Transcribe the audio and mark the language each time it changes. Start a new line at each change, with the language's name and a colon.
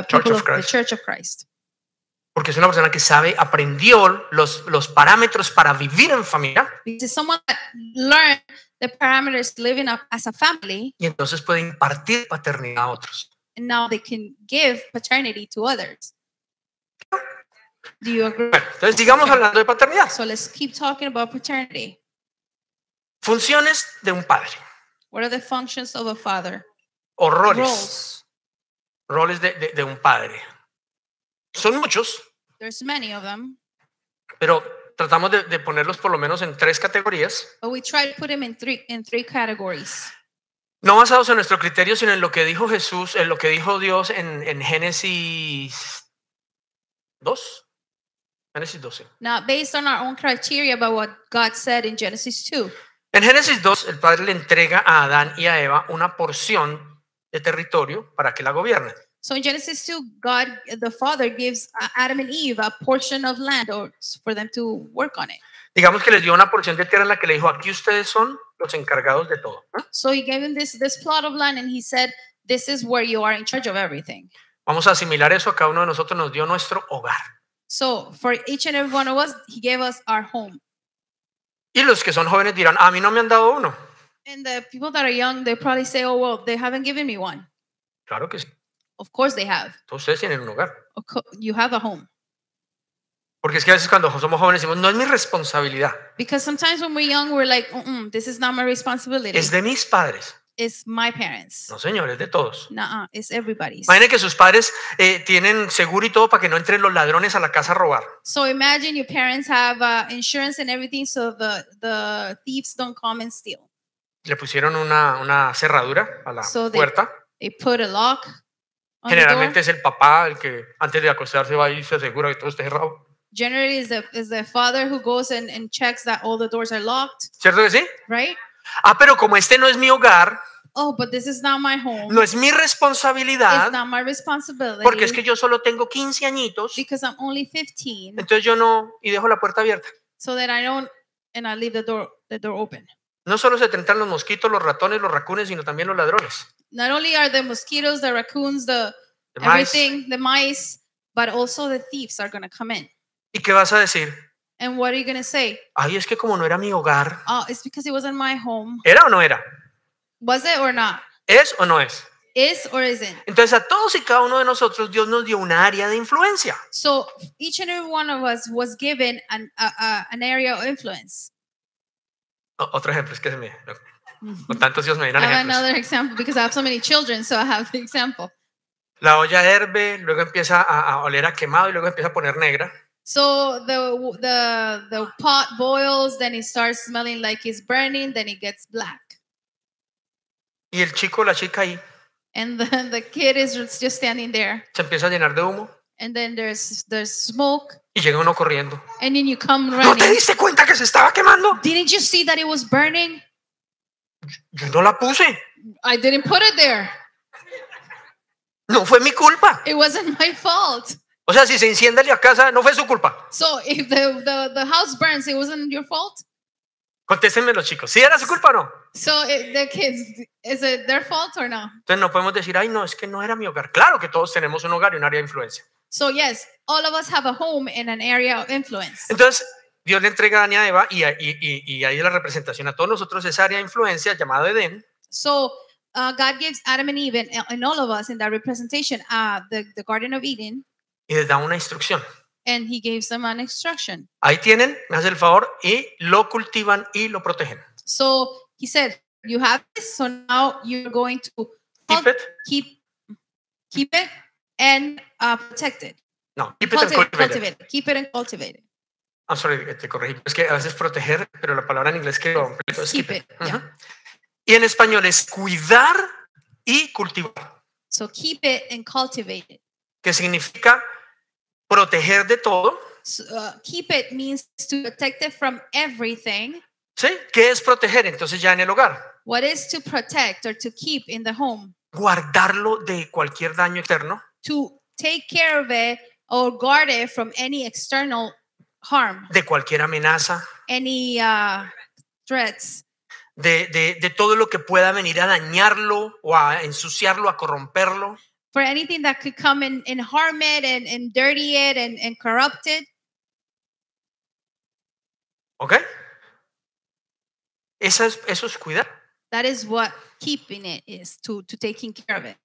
English: Church of Christ. The Church of Christ.
Spanish: Porque es una persona que sabe, aprendió los parámetros para vivir en familia.
English: Because someone that learned the parameters living up as a family.
Spanish: Y entonces puede impartir paternidad a otros.
English: And now they can give paternity to others. Do you agree?
Spanish: Bueno, entonces sigamos hablando de paternidad.
English: So let's keep talking about paternity.
Spanish: Funciones de un padre.
English: What are the functions of a father?
Spanish: O roles. Roles de un padre. Son muchos.
English: There's many of them.
Spanish: Pero tratamos de ponerlos por lo menos en tres categorías.
English: But we try to put them in three categories.
Spanish: No basados en nuestro criterio, sino en lo que dijo Jesús, en lo que dijo Dios en Génesis 2. Génesis 12.
English: Not based on our own criteria, but what God said in Genesis 2.
Spanish: En Génesis 2, el Padre le entrega a Adán y a Eva una porción de territorio para que la gobiernen.
English: So in Genesis 2, God, the Father, gives Adam and Eve a portion of land for them to work on it.
Spanish: Digamos que les dio una porción de tierra en la que le dijo, aquí ustedes son los encargados de todo.
English: So he gave him this plot of land and he said, this is where you are in charge of everything.
Spanish: Vamos a asimilar eso, a cada uno de nosotros nos dio nuestro hogar.
English: So for each and every one of us, he gave us our home.
Spanish: Y los que son jóvenes dirán, a mí no me han dado uno.
English: And the people that are young, they probably say, oh, well, they haven't given me one.
Spanish: Claro que sí.
English: Of course they have.
Spanish: Ustedes tienen un hogar.
English: You have a home.
Spanish: Porque es que a veces cuando somos jóvenes decimos, no es mi responsabilidad.
English: Because sometimes when we're young, we're like, mm-mm, this is not my responsibility.
Spanish: Es de mis padres.
English: It's my parents.
Spanish: No, señor, es de todos.
English: It's everybody's.
Spanish: Imagine que sus padres tienen seguro y todo para que no entren los ladrones a la casa a robar.
English: So imagine your parents have insurance and everything so the thieves don't come and steal.
Spanish: Le pusieron una cerradura a la puerta.
English: They put a lock.
Spanish: Generalmente es el papá el que antes de acostarse va y se asegura que todo esté cerrado.
English: Generally is the father who goes and checks that all the doors are locked.
Spanish: ¿Cierto que sí?
English: Right?
Spanish: Ah, pero como este no es mi hogar.
English: Oh, but this is not my home.
Spanish: No es mi responsabilidad.
English: It's not my responsibility.
Spanish: Porque es que yo solo tengo 15 añitos.
English: Because I'm only 15.
Spanish: Entonces yo no y dejo la puerta abierta.
English: So that I don't and I leave the door open.
Spanish: No solo se tentan los mosquitos, los ratones, los raccoons, sino también los ladrones.
English: Not only are the mosquitoes, the raccoons, the everything, mice. The mice, but also the thieves are going to come in.
Spanish: ¿Y qué vas a decir?
English: And what are you going to say?
Spanish: Ay, es que como no era mi hogar.
English: Oh, it's because it wasn't my home.
Spanish: ¿Era o no era?
English: Was it or not?
Spanish: ¿Es o no es?
English: Is or isn't?
Spanish: Entonces a todos y cada uno de nosotros Dios nos dio una área de influencia.
English: So each and every one of us was given an area of influence.
Spanish: Otro ejemplo, es que se me... Con tantos hijos me dieron ejemplos.
English: I have another example because I have so many children, so I have the example.
Spanish: La olla hierve, luego empieza a oler a quemado y luego empieza a poner negra.
English: So the pot boils, then it starts smelling like it's burning, then it gets black.
Spanish: Y el chico, la chica ahí.
English: And the kid is just standing there.
Spanish: Se empieza a llenar de humo.
English: And then there's smoke.
Spanish: Y llega uno corriendo.
English: And then you come running.
Spanish: ¿No te diste cuenta que se estaba quemando?
English: Didn't you see that it was burning?
Spanish: Yo no la puse.
English: I didn't put it there.
Spanish: No fue mi culpa.
English: It wasn't my fault.
Spanish: O sea, si se enciende la casa, no fue su culpa.
English: So if the house burns, it wasn't your fault?
Spanish: Contéstenme los chicos. ¿Sí era su culpa o no?
English: So the kids, is it their fault or no?
Spanish: Entonces no podemos decir, ay, no, es que no era mi hogar. Claro que todos tenemos un hogar y un área de influencia.
English: So yes, all of us have a home and an area of influence.
Spanish: Entonces Dios le entrega a Adán y a Eva y ahí la representación a todos nosotros esa área de influencia llamada Edén.
English: So God gives Adam and Eve and all of us in that representation the Garden of Eden.
Spanish: Y les da una instrucción.
English: And he gives them an instruction.
Spanish: Ahí tienen, me hace el favor, y lo cultivan y lo protegen.
English: So he said, you have this, so now you're going to keep it and protect it. No, keep it and cultivate it. I'm sorry,
Spanish: te corregí. Es que a veces proteger, pero la palabra en inglés que lo completo es
English: keep it. Yeah.
Spanish: Y en español es cuidar y cultivar.
English: So keep it and cultivate it.
Spanish: Que significa proteger de todo.
English: So, keep it means to protect it from everything.
Spanish: ¿Sí? ¿Qué es proteger? Entonces ya en el hogar.
English: What is to protect or to keep in the home?
Spanish: Guardarlo de cualquier daño externo.
English: To take care of it or guard it from any external harm.
Spanish: De cualquier amenaza.
English: Any threats.
Spanish: De todo lo que pueda venir a dañarlo o a ensuciarlo, a corromperlo.
English: For anything that could come and harm it and dirty it and corrupt it.
Spanish: Okay. Eso es cuidar.
English: That is what keeping it is, to taking care of it.